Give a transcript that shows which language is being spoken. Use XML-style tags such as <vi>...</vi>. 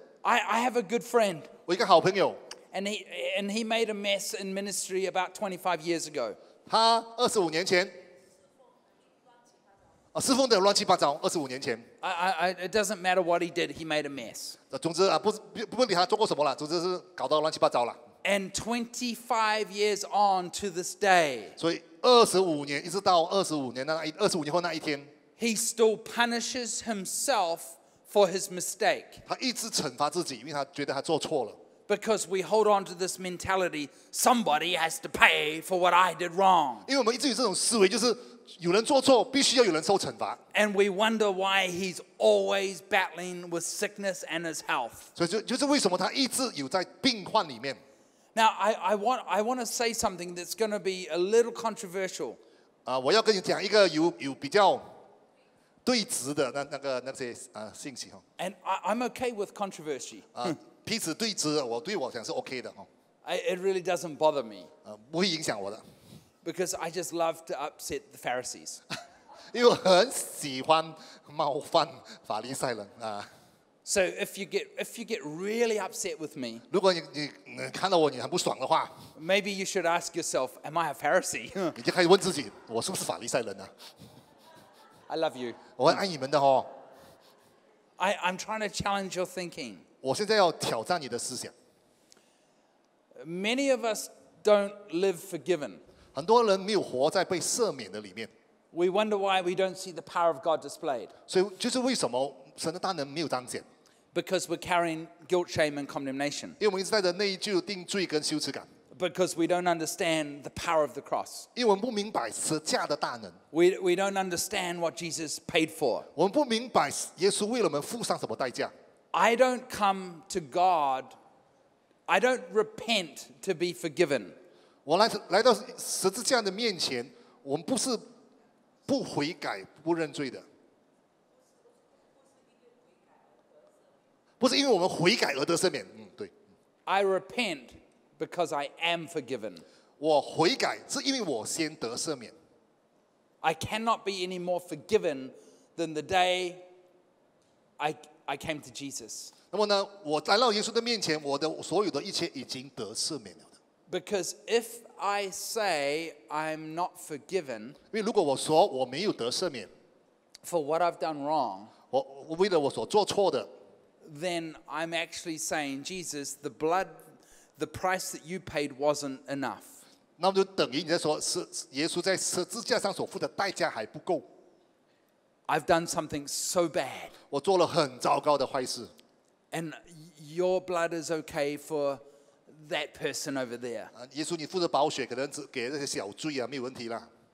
<en>I have a good friend.</en> <zh>我一个好朋友。</zh> <en>And he made a mess in ministry about 25 years ago.</en> <zh>他25年前。侍奉的乱七八糟，25年前。</zh> <en>It doesn't matter what he did, he made a mess.</en> <zh>总之啊，不问题他做过什么了，总之是搞到乱七八糟了。</zh> <en>And 25 years on to this day.</en> <zh>所以25年，一直到25年后那一天。</zh> <en>He still punishes himself for his mistake.</en> <zh>他一直惩罚自己，因为他觉得他做错了。</zh> <en>Because we hold on to this mentality, somebody has to pay for what I did wrong.</en> <zh>因为我们一直有这种思维，就是。有人做错，必须要有人受惩罚。</zh> <en>And we wonder why he's always battling with sickness and his health.</en> <zh>所以就是为什么他一直有在病患里面。</zh> <en>Now I want to say something that's going to be a little controversial.</en> <zh>我要跟你讲一个有比较对质的那些信息哈。</zh> <en>And I'm okay with controversy.</en> <zh>彼此对质，我想是 OK 的哈。</zh> <en>It really doesn't bother me.</en> <zh>不会影响我的。</zh> <en>Because I just love to upset the Pharisees.</en> <zh>因为我很喜欢冒犯法利赛人啊。</zh> <en>So if you get really upset with me,</en> <zh>如果你看到我你很不爽的话</zh> <en>，maybe you should ask yourself, am I a Pharisee?</en> <zh>你就可以问自己，我是不是法利赛人呢</zh> <en>？I love you.</en> <zh>我很爱你们的哦。</zh> <en>I'm trying to challenge your thinking.</en> <zh>我现在要挑战你的思想。</zh> <en>Many of us don't live forgiven.</en> <zh>很多人没有活在被赦免的里面。</zh> <en>We wonder why we don't see the power of God displayed.</en> <zh>所以就是为什么神的大能没有彰显。</zh> <en>Because we're carrying guilt, shame, and condemnation.</en> <zh>因为我们一直带着内疚、定罪跟羞耻感。</zh> <en>Because we don't understand the power of the cross.</en> <zh>因为我们不明白十架的大能。</zh> <en>We don't understand what Jesus paid for.</en> <zh>我们不明白耶稣为了我们付上什么代价。</zh> <en>I don't come to God. I don't repent to be forgiven.</en> <zh>我来到十字架的面前，我们不是不悔改、不认罪的，不是因为我们悔改而得赦免。对。</zh> <en>I repent because I am forgiven.</en> <zh>我悔改是因为我先得赦免。</zh> <en>I cannot be any more forgiven than the day I came to Jesus.</en> <zh>那么呢，我来到耶稣的面前，我的所有的一切已经得赦免了。</zh> <en>Because if I say I'm not forgiven,</en> <zh>因为如果我说我没有得赦免</zh> <en>for what I've done wrong,</en> <zh>我为了我所做错的</zh> <en>then I'm actually saying, Jesus, the blood, the price that you paid wasn't enough.</en> <zh>那么就等于你在说是耶稣在十字架上所付的代价还不够</zh> <en>I've done something so bad.</en> <zh>我做了很糟糕的坏事</zh> <en>and your blood is okay for. That person over there.</en> <zh>耶稣，你负责保血，可能只给那些小罪啊，没有问题啦。</zh>